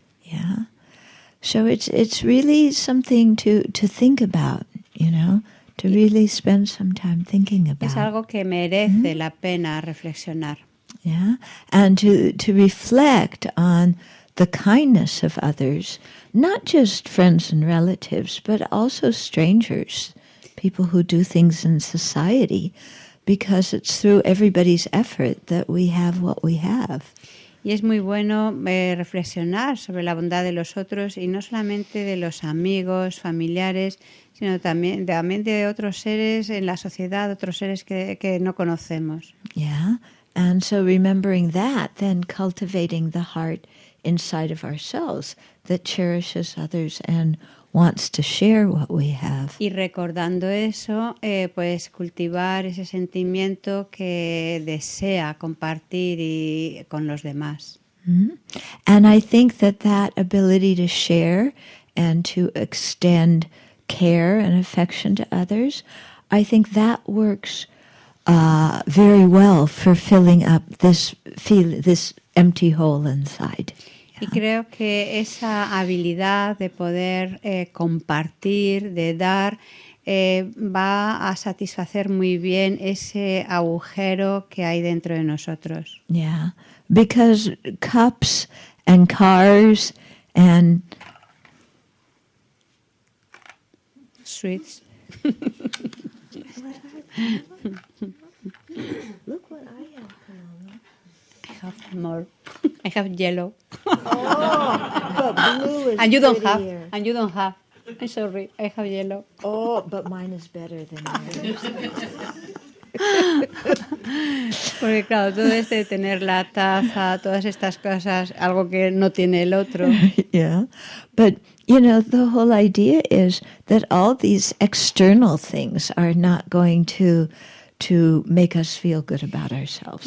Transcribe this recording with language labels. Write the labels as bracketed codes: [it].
[en] Yeah. So it's really something to think about, you know, to really spend some time thinking about. [es] Es algo que merece la pena reflexionar. [en] Yeah, and to reflect on the kindness of others, not just friends and relatives, but also strangers, people who do things in society, because it's through everybody's effort that we have what we have. [es] Y es muy bueno reflexionar sobre la bondad de los otros, y no solamente de los amigos, familiares, sino también de otros seres en la sociedad, otros seres que no conocemos. [en] Yeah, and so remembering that, then cultivating the heart inside of ourselves that cherishes others and wants to share what we have. [es] Y recordando eso, pues cultivar ese sentimiento que desea compartir y con los demás. Mm-hmm. [en] And I think that ability to share and to extend care and affection to others, I think that works very well for filling up this empty hole inside. [es] Y creo que esa habilidad de poder compartir, de dar, va a satisfacer muy bien ese agujero que hay dentro de nosotros. [en] Yeah, because cups and cars and sweets. Look what I have, Paloma. Have more. I have yellow. Oh, but blue is prettier. And you don't have. I'm sorry. I have yellow. Oh, but mine is better than yours. [es] Porque claro, todo este de tener la taza, todas estas cosas, algo que no tiene el otro. [en] Yeah, but you know, the whole idea is that all these external things are not going to make us feel good about ourselves.